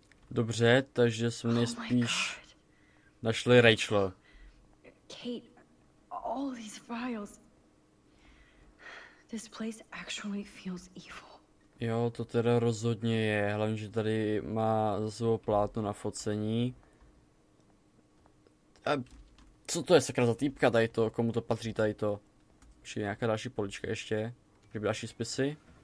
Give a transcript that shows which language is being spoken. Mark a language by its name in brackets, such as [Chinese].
[Czech] Dobře, takže jsme nejspíš našli Rachel. [English] Kate, all these files. This place actually feels evil. [Czech] Jo, to teda rozhodně je, hlavně, že tady má za sebou plátno na focení. A co to je sakra za týpka tady to, komu to patří tady to? Je nějaká další polička ještě? Kdyby další spisy?